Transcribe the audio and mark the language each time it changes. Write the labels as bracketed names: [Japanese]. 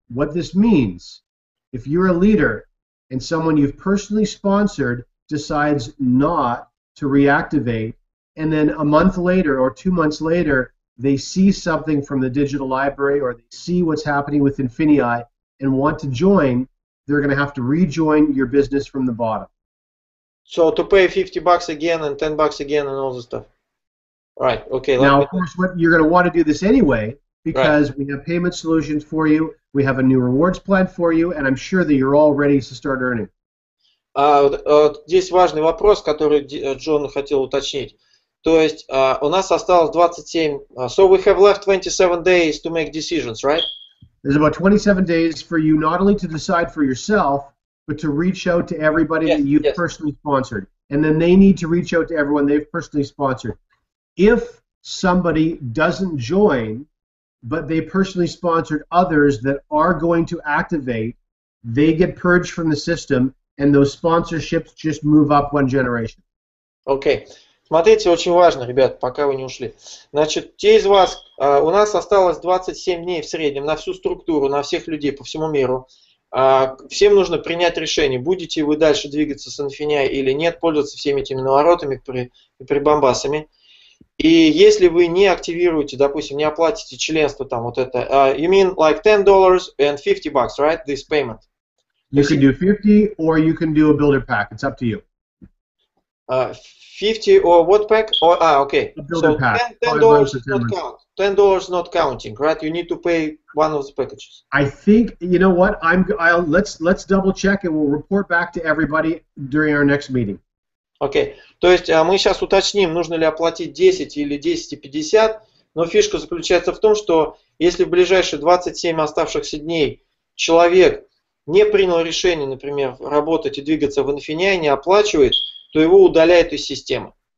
[English] What this means, if you're a leader and someone you've personally sponsored decides not to reactivate, and then a month later or 2 months later, they see something from the digital library or they see what's happening with Infineon and want to join, they're going to have to rejoin your business from the bottom. So to pay $50 again and $10 again and all this stuff. Right, okay. Now, of course, what you're going to want to do this anyway because right. We have payment solutions for you, we have a new rewards plan for you, and I'm sure that you're all ready to start earning. [Russian] Здесь важный вопрос, который Джон хотел уточнить. То есть у нас осталось 27... [English] So we have left 27 days to make decisions, right? There's about 27 days for you not only to decide for yourself, but to reach out to everybody yes, that you've yes. personally sponsored. And then they need to reach out to everyone they've personally sponsored. If somebody doesn't join, but they personally sponsored others that are going to activate, they get purged from the system, and those sponsorships just move up one generation. Okay. [Russian] Смотрите, очень важно, ребят, пока вы не ушли. Значит, те из вас, у нас осталось 27 дней в среднем на всю структуру, на всех людей по всему миру. Всем нужно принять решение, будете вы дальше двигаться с Infinia или нет, пользоваться всеми этими наворотами и прибамбасами. И если вы не активируете, допустим, не оплатите членство, там вот это, [English] you mean like $10 and $50, right, this payment? You can do 50 or you can do a builder pack, it's up to you. 50 or what pack? Or, okay. So $10 is not count. $10 not counting, right? You need to pay one of the packages. I think, you know what? Let's double check and we'll report back to everybody during our next meeting. Okay. [Russian] То есть мы сейчас уточним, нужно ли оплатить 10 или 10.50, но фишка заключается в том, что если в ближайшие 27 оставшихся дней человек не принял решение, например, работать и двигаться в Infinia и не оплачивает, то его удаляют из системы.